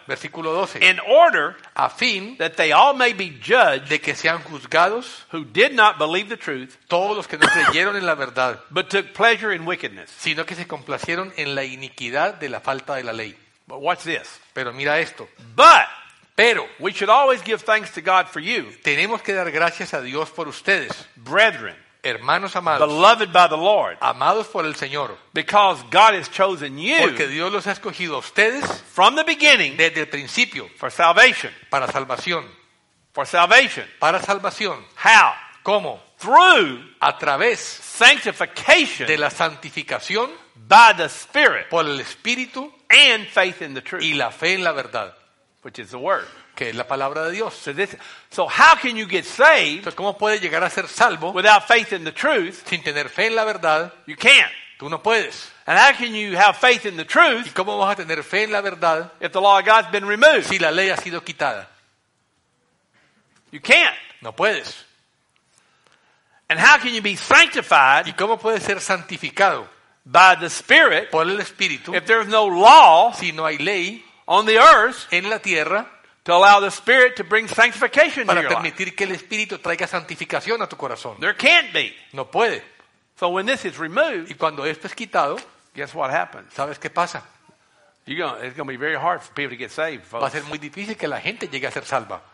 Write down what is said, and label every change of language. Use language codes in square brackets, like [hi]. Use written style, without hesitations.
[es] Versículo 12. [en] In order, [es] a fin, [en] that they all may be judged, [es] de que sean juzgados, [en] who did not believe the truth, [es] todos los que no creyeron en la verdad, [en] but took pleasure in wickedness, [es] sino que se complacieron en la iniquidad de la falta de la ley. [en] But watch this. [es] Pero mira esto. [en] But, [es] pero, [en] we should always give thanks to God for you. [es] Tenemos que dar gracias a Dios por ustedes. [en] Brethren, [es] hermanos amados, [en] beloved by the Lord, [es] amados por el Señor, [en] because God has chosen you, [es] porque Dios los ha escogido a ustedes, [en] from the beginning, [es] desde el principio, [en] for salvation, [es] para salvación, [en] for salvation, [es] para salvación, [en] how, [es] cómo, [en] through, [es] a través, [en] sanctification, [es] de la santificación, [en] by the Spirit, [es] por el Espíritu, [en] and faith in the truth, [es] y la fe en la verdad, [en] which is the word. [es] Que es la palabra de Dios. [en] So how can you get saved? [es] Entonces, ¿cómo puedes llegar a ser salvo? [en] Without faith in the truth, [es] sin tener fe en la verdad. [en] You can't. [es] Tú no puedes. [en] And how can you have faith in the truth? [es] ¿Y cómo vas a tener fe en la verdad? [en] If the law of God's been removed. [es] Si la ley ha sido quitada. [en] You can't. [es] No puedes. [en] And how can you be sanctified? [es] ¿Y cómo puedes ser santificado? [en] By the Spirit. [es] Por el Espíritu. [en] If there's no law. [es] Si no hay ley. [en] On the earth. [es] En la tierra. [en] To allow the Spirit to bring sanctification to your life. [es] Para permitir que el Espíritu traiga santificación a tu corazón. [en] There can't be. [es] No puede. [en] So when this is removed, [es] y cuando esto es quitado, [en] guess what happens? [es] ¿Sabes qué pasa? [en] It's going to be very hard for people to get saved, folks. [es] Va a ser muy difícil que la gente llegue a ser salva.